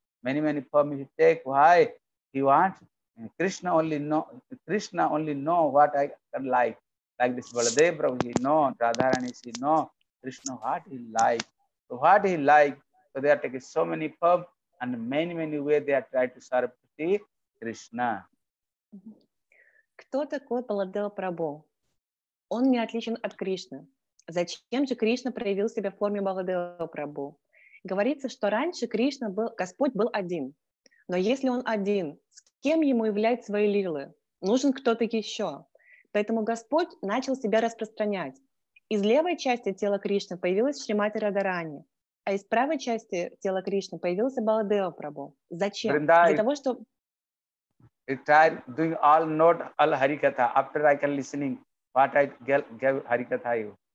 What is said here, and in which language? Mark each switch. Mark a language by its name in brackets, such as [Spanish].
[English] Many form he take. Why? He wants. Krishna only know what I can like this Baladeva Prabhu, he know Radharani, she know Krishna what he like. So what he like, so they are taking so many form and many way they are trying to serve the Krishna. [Russian] Кто такой Баладева Прабху? Он не отличен от Кришны. Зачем же Кришна проявил себя в форме Баладева Прабху? Говорится, что раньше Кришна был, Господь был один. Но если он один, кем ему являть свои лилы? Нужен кто-то еще. Поэтому Господь начал себя распространять. Из левой части тела Кришны появилась Шримати Радарани, а из правой части тела Кришны появился Баладева Прабху. Зачем? Для того, чтобы... [English] retire doing all not all harikatha after I can listening what I gave harikatha you.